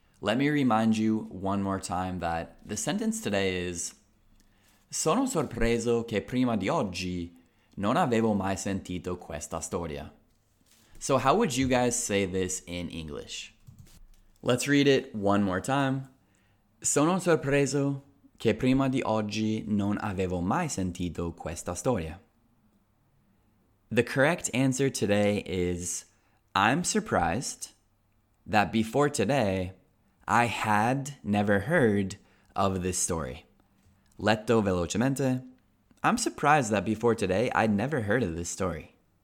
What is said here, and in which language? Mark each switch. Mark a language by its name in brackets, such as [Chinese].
[English] Let me remind you one more time that the sentence today is, [Italian] Sono sorpreso che prima di oggi non avevo mai sentito questa storia. [English] So how would you guys say this in English? Let's read it one more time. [Italian] Sono sorpreso che prima di oggi non avevo mai sentito questa storia. [English] The correct answer today is, I'm surprised that before today, I had never heard of this story. [Italian] Letto velocemente. [English] I'm surprised that before today, I'd never heard of this story.